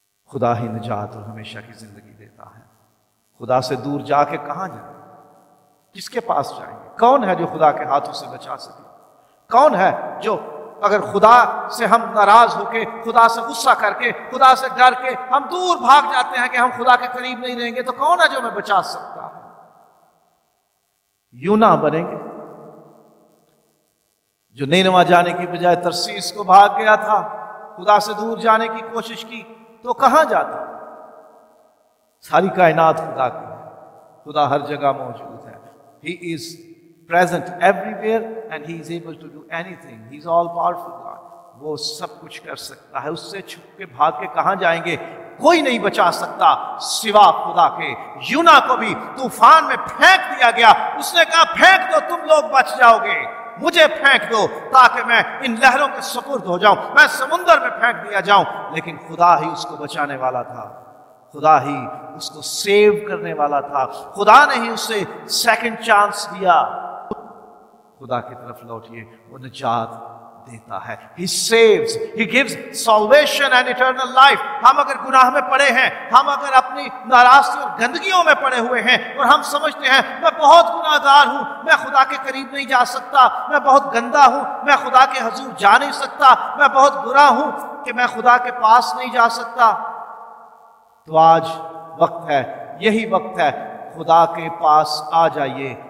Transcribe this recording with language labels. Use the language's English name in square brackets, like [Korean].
[Urdu] خدا ہی نجات اور ہمیشہ کی زندگی دیتا ہے. خدا سے دور جا کے کہاں جائیں، کس کے پاس جائیں گے؟ کون ہے جو خدا کے ہاتھوں سے بچا سکے؟ کون ہے جو اگر خدا سے ہم ناراض ہو کے، خدا سے غصہ کر کے، خدا سے ڈر کے ہم دور بھاگ جاتے ہیں کہ ہم خدا کے قریب نہیں رہیں گے، تو کون ہے جو ہمیں بچا سکتا ہے؟ یوں نہ بنیں گے جو نینوا جانے کی بجائے ترسیس کو بھاگ گیا تھا، خدا سے دور جانے کی کوشش کی، تو کہاں جاتا؟ ساری کائنات خدا کی ہے، خدا ہر جگہ موجود ہے. [English] He is present everywhere and he is able to do anything. He is all powerful God. [Urdu] وہ سب کچھ کر سکتا ہے، اس سے چھپ کے بھاگ کے کہاں جائیں گے؟ کوئی نہیں بچا سکتا سوا خدا کے. یونا کو بھی طوفان میں پھینک دیا گیا, اس نے کہا پھینک دو تم لوگ بچ جاؤ گے, مجھے پھینک دو تاکہ میں ان لہروں کے سپرد ہو جاؤں, میں سمندر میں پھینک دیا جاؤں. لیکن خدا ہی اس کو بچانے والا تھا, خدا ہی اس کو سیو کرنے والا تھا, خدا نے ہی اسے سیکنڈ چانس دیا. خدا کی طرف لوٹئے, وہ نجات دیتا ہے. [English] He saves, He gives salvation and eternal life. [Urdu] ہم اگر گناہ میں پڑے ہیں, ہم اگر اپنی ناراضی اور گندگیوں میں پڑے ہوئے ہیں اور ہم سمجھتے ہیں میں بہت گناہگار ہوں, میں خدا کے قریب نہیں جا سکتا, میں بہت گندا ہوں, میں خدا کے حضور جا نہیں سکتا, میں بہت برا ہوں کہ میں خدا کے پاس نہیں جا سکتا, تو آج وقت ہے, یہی وقت ہے, خدا کے پاس آ جائیے.